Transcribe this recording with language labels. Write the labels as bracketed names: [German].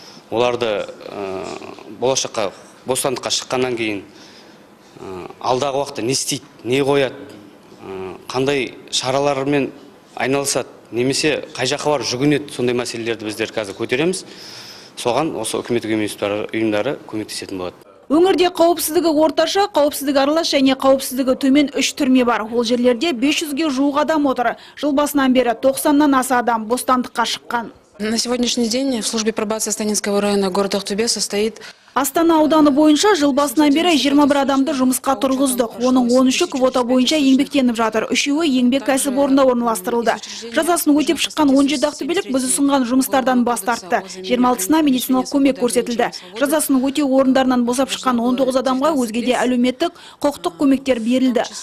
[Kazakh] Оларды болашаққа, бостандыққа шыққаннан кейін алдағы уақытта не істейді, не қояды, қандай шаралармен айналысады, немесе қай жаққа бар жүгінеді, сондай мәселелерді біздер қазір көтереміз. Соған осы үкіметтік емес ұйымдары көмектесетін болады. Өңірде қауіпсіздігі орташа, қауіпсіздігі аралас және қауіпсіздігі төмен үш түрме бар. Ол жерлерде 500-ге жуық адам отыр. Жыл басынан бері 90-нан аса адам бостандыққа шыққан. [Russian] На сегодняшний день в службе пробации Астанинского района города Ақтөбе состоит... [Kazakh] Астана ауданы бойынша жыл басынан бері 21 адамды жұмысқа тұрғыздық. Оның 13-і квота бойынша еңбектеніп жатыр. 3-і еңбек кәсіп орнында орналастырылды. Жазасын өтеп шыққан 17 ақтөбелік біз ұсынған жұмыстардан бас тартты. 26-ына медициналық көмек көрсетілді. Жазасын өтеу орындарынан босап шыққан 19 адамға өзге де әлеуметтік құқықтық көмектер берілді.